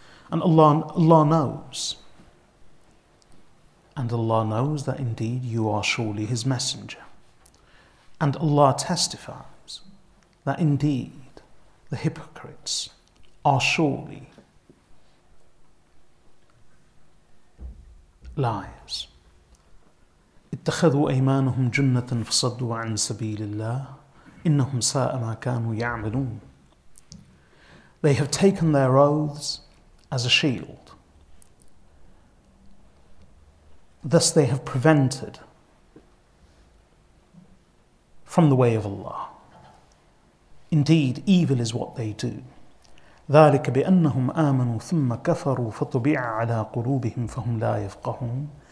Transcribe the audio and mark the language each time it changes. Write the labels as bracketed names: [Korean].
[English] And Allah knows. And Allah knows that indeed you are surely his messenger. And Allah testifies that indeed the hypocrites are surely liars. [Arabic] اتخذوا أيمانهم جنة فصدوا عن سبيل الله إنهم ساء ما كانوا يعملون. [English] They have taken their oaths as a shield. Thus they have prevented from the way of Allah. Indeed, evil is what they do. [Arabic] ذَلِكَ بِأَنَّهُمْ آمَنُوا ثُمَّ كَفَرُوا فَطُبِعَ عَلَىٰ قُلُوبِهِمْ فَهُمْ لَا يَفْقَهُونَ.